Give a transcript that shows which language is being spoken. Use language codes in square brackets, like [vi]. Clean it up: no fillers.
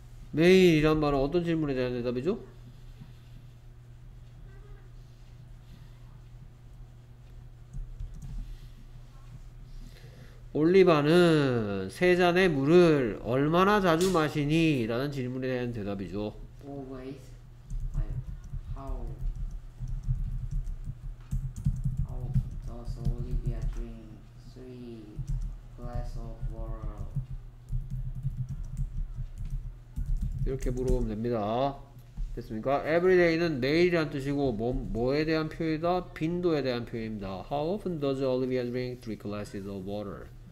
[ko] 매일이란 말은 어떤 질문에 대한 대답이죠? 올리바는 세 잔의 물을 얼마나 자주 마시니? 라는 질문에 대한 대답이죠. [en] Always. How does Olivia drink three glasses of water? [ko] 이렇게 물어보면 됩니다. 됐습니까? Everyday는 매일이란 뜻이고 뭐에 대한 표현이다? 빈도에 대한 표현입니다. [en] How often does Olivia drink three glasses of water?